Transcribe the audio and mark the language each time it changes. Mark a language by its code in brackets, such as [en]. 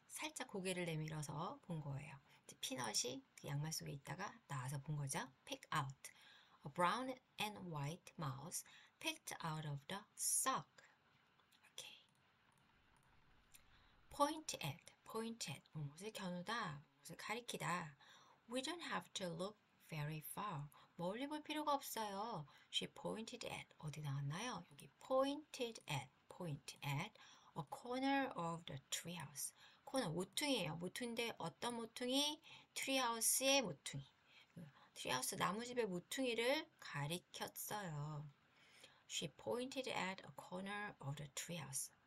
[ko] 살짝 고개를 내밀어서 본 거예요. 이제 피넛이 그 양말 속에 있다가 나와서 본 거죠. [en] Pick out. A brown and white mouse picked out of the sock. 오케이. Point at. [ko] 무엇을 겨누다, 무엇을 가리키다. [en] We don't have to look very far. [ko] 멀리 볼 필요가 없어요. [en] She pointed at. [ko] 어디 나왔나요? 여기 [en] pointed at. A corner of the treehouse. [ko] 코너 모퉁이에요. 모퉁인데 어떤 모퉁이? 트리하우스의 모퉁이. 트리하우스 나무집의 모퉁이를 가리켰어요. [en] She pointed at a corner of the treehouse.